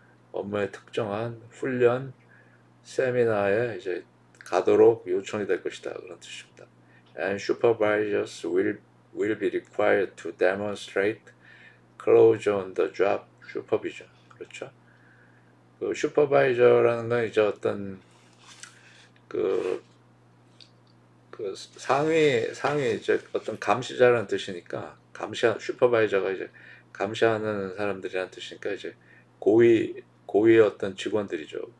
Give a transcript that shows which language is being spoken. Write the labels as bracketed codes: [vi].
[ko] 업무에 특정한 훈련 세미나에 이제 가도록 요청이 될 것이다 그런 뜻입니다. [en] And supervisors will be required to demonstrate closure on the job supervision. [ko] 그렇죠? 그 슈퍼바이저라는 건 이제 어떤 그 상위 이제 어떤 감시자라는 뜻이니까 감시하는 슈퍼바이저가 이제 감시하는 사람들이라는 뜻이니까 이제 고위 어떤 직원들이죠.